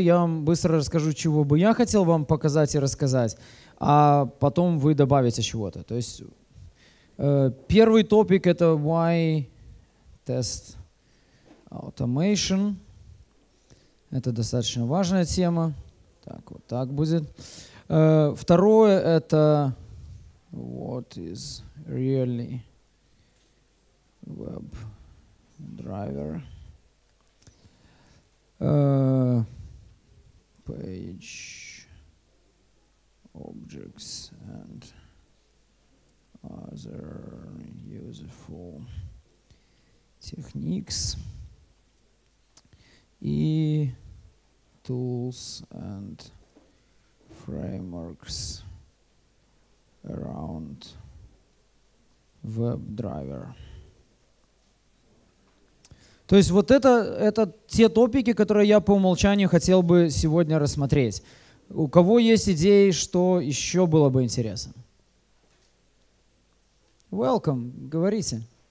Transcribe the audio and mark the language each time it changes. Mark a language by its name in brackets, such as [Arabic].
[Russian] Я вам быстро расскажу, чего бы я хотел вам показать и рассказать. А потом вы добавите чего-то. То есть первый топик — это [English] Why Test Automation. [Russian] Это достаточно важная тема. Так, вот так будет. Второе — это [English] What is really web driver? Page objects and other useful techniques. И tools and frameworks around web driver. [Russian] То есть вот это те топики, которые я по умолчанию хотел бы сегодня рассмотреть. У кого есть идеи, что еще было бы интересно? Welcome, говорите.